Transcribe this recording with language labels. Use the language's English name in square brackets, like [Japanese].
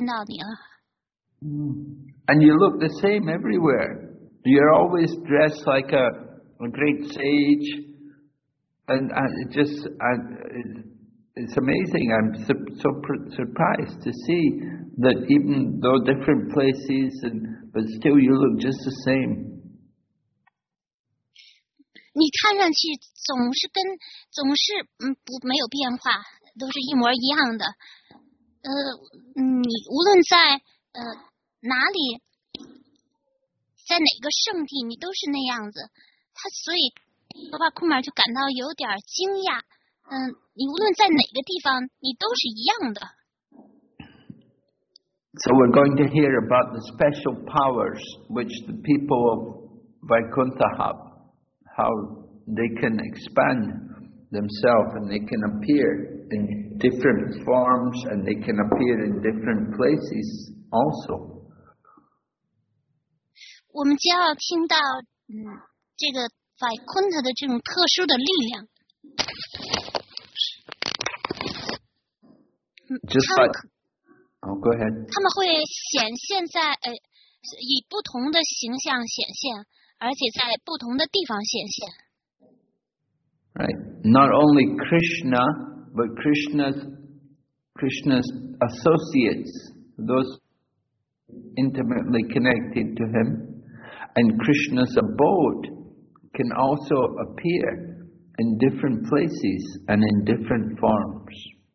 [Chinese] 高帕库马就感到有点惊讶。Narada Muni，你也来这里了，来到多尔卡了。在之前呢，我在天堂星宿见过你，在瓦昆特见过你。现在呢，我又在多尔卡又再次见到你了。And [English] you look the same everywhere. You're always dressed like a great sage, it's amazing. I'm so surprised to see that even though different places, but still you look just the same. [Chinese] 你看上去总是没有变化，都是一模一样的。无论在哪里，在哪个圣地你都是那样子。他所以罗巴库尔就感到有点惊讶，你无论在哪个地方你都是一样的。 [English] So we're going to hear about the special powers which the people of Vaikuntha have, how they can expand themselves and they can appear in different forms and they can appear in different places also. [Chinese] 我们将要听到这个 Vaikuntha 的这种特殊的力量。 [English] Just like... Go ahead. [Chinese] 他们会显现在以不同的形象显现，而且在不同的地方显现。 [English] Right, not only Krishna, but Krishna's associates, those intimately connected to him, and Krishna's abode can also appear in different places and in different forms.